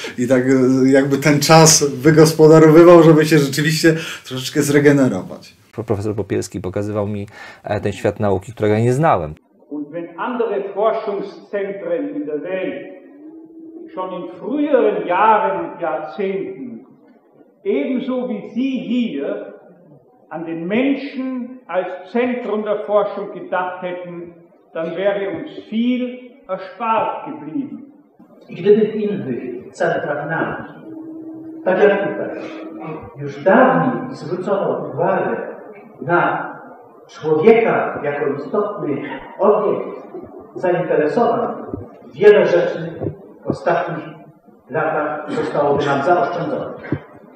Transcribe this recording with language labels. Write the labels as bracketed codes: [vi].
[pl] I tak jakby ten czas wygospodarowywał, żeby się rzeczywiście troszeczkę zregenerować. Profesor Popielski pokazywał mi ten świat nauki, którego ja nie znałem. [de] Und wenn andere Forschungszentren in der Welt schon in früheren Jahren und Jahrzehnten ebenso wie Sie hier an den Menschen als Zentrum der Forschung gedacht hätten, dann wäre uns viel erspart geblieben. [pl] I gdyby w innych centrach nauki, tak jak tutaj, już dawniej zwrócono uwagę na człowieka jako istotny obiekt zainteresowany, wiele rzeczy w ostatnich latach zostałoby nam zaoszczędzonych.